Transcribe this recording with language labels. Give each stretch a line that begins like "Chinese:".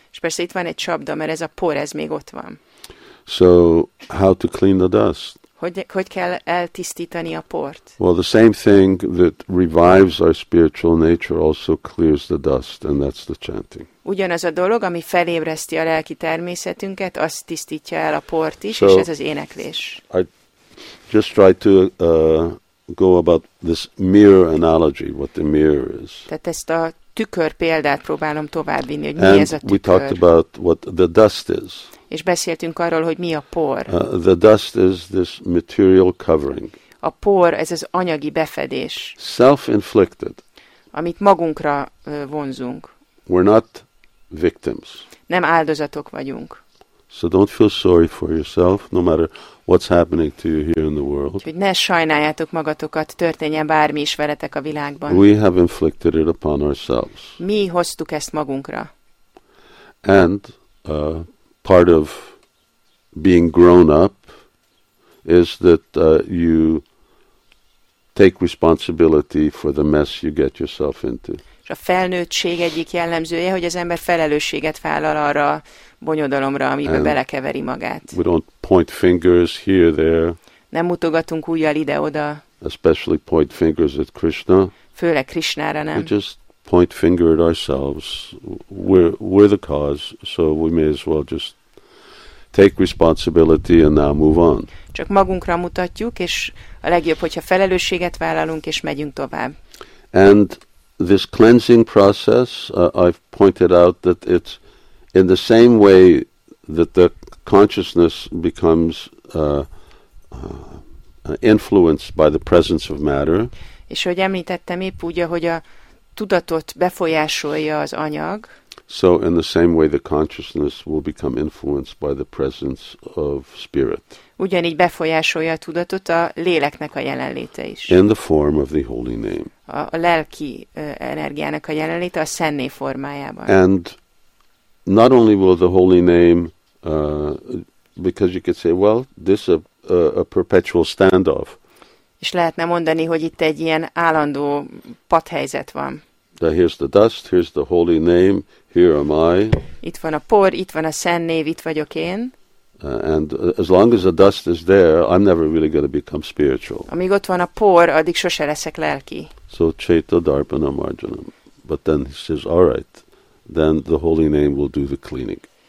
Hungarian: És persze itt van egy csapda, mert ez a por, ez még ott van.
English: So how to clean the dust?
Hungarian: Hogy kell eltisztítani a port?
English: Well, the same thing that revives our spiritual nature also clears the dust, and that's the chanting.
Hungarian: Ugyanaz a dolog, ami felébreszti a lelki természetünket, azt tisztítja el a port is,
English: so
Hungarian: és ez az éneklés.
English: I just try to go about this mirror analogy, what the mirror is.
Hungarian: Tehát ezt a tükör példát próbálom továbbvinni, hogy mi
English: and
Hungarian: ez a tükör.
English: We talked about what the dust is.
Hungarian: És beszéltünk arról, hogy mi a por.
English: The dust is this material covering.
Hungarian: A por, ez az anyagi befedés.
English: Self-inflicted.
Hungarian: Amit magunkra vonzunk.
English: We're not victims.
Hungarian: Nem áldozatok vagyunk.
English: So don't feel sorry for yourself, no matter what's happening to you here in the world.
Hungarian: Úgyhogy ne sajnáljátok magatokat, történjen bármi is veletek a világban.
English: We have inflicted it upon ourselves.
Hungarian: Mi hoztuk ezt magunkra.
English: And part of being grown up is that you take responsibility for the mess you get yourself into.
Hungarian: És a felnőttség egyik jellemzője, hogy az ember felelősséget vállal arra a bonyodalomra, amiben belekeveri magát.
English: We don't point fingers here, there.
Hungarian: Nem mutogatunk ujjal ide-oda.
English: Especially point fingers at Krishna.
Hungarian: Főleg Krishnára nem.
English: We just point finger at ourselves. We're the cause, so we may as well just take responsibility and now move on.
Hungarian: Csak magunkra mutatjuk, és a legjobb, hogyha felelősséget vállalunk, és megyünk tovább.
English: And this cleansing process, I've pointed out that it's in the same way that the consciousness becomes influenced by the presence of matter.
Hungarian: És hogy említettem, épp úgy, ahogy a tudatot befolyásolja az anyag.
English: So in the same way the consciousness will become influenced by the presence of spirit.
Hungarian: Ugyanígy befolyásolja a tudatot a léleknek a jelenléte is.
English: In the form of the holy name.
Hungarian: A lelki energiának a jelenléte a szenné formájában.
English: And not only will the holy name, because you could say, well, this is a perpetual standoff.
Hungarian: És lehetne mondani, hogy itt egy ilyen állandó patthelyzet van.
English: De here's the dust, here's the holy name, here am I.
Hungarian: Itt van a por, itt van a szent név, itt vagyok én.
English: And as long as the dust is there, I'm never really going to become spiritual.
Hungarian: Amíg ott van a por, addig sose leszek lelki.
Sanskrit: So Chaita Darpana Marjanam.
English: But then he says, all right, then the holy name will do the cleaning.